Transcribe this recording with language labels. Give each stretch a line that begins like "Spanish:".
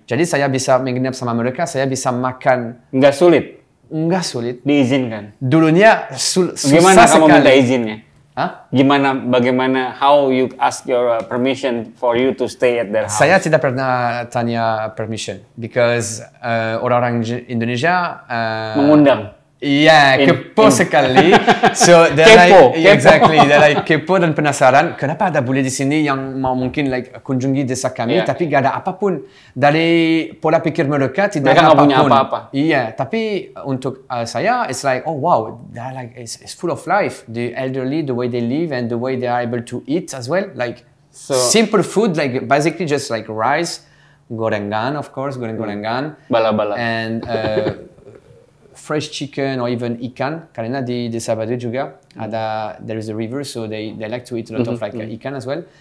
Indonesian: Jadi saya bisa menginap sama mereka, saya bisa makan. Enggak sulit. Enggak sulit. Diizinkan. Dulunya susah sekali. Gimana kamu minta izinnya? Huh? Gimana, bagaimana,
English: how you ask your permission for you to stay at their house?
Indonesian: Saya tidak pernah tanya permission
English: because
Indonesian: orang-orang Indonesia mengundang. Yeah, kepo sekali. So kepo,
English: like, yeah, exactly. They're like
Indonesian: kepo dan penasaran. Kenapa ada bule di sini yang mau mungkin like kunjungi desa kami, tapi gak ada apapun dari pola pikir mereka, tidak mereka ada apapun. Mereka nggak punya apa-apa. Iya, tapi untuk saya,
English: it's like oh wow, they're like it's full of life. The elderly, the way they live and the way they are able to eat as well, like so, simple food, like basically just like rice, gorengan of course, goreng-gorengan.
Indonesian: Bala-bala.
English: And fresh chicken or even ikan,
Indonesian: karena di Sabadui juga ada,
English: there is a river, so they like to eat a lot of like ikan as well.